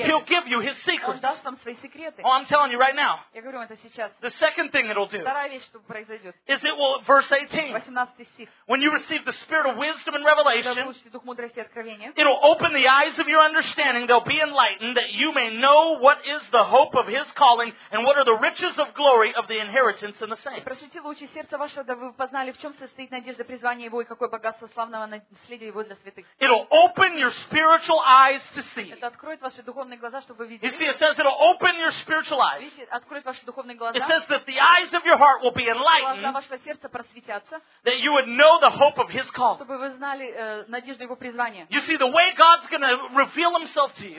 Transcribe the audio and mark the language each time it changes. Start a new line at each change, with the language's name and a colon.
English: He'll give you His secrets. Oh, I'm telling you right now, the second thing it'll do is it will, verse 18, when you receive the spirit of wisdom and revelation, It'll open the eyes of your understanding. They'll be enlightened that you may know what is the hope of His calling and what are the riches of glory of the inheritance in the saints.
Russian: Просветило очи сердца вашего, дабы вы познали, в чем состоит надежда призвания Его и какое богатство славного наследия Его для святых.
English: It'll open your spiritual eyes to see.
Russian: Это откроет ваши духовные глаза, чтобы видеть.
English: You see, it says it'll open your spiritual eyes.
Russian: Видите, откроет ваши духовные глаза.
English: It says that the eyes of your heart will be enlightened.
Russian: Глаза вашего сердца просветятся.
English: That you would know the hope of His call.
Russian: Чтобы вы знали надежду Его призвания.
English: You see, the way God's going to reveal Himself to you.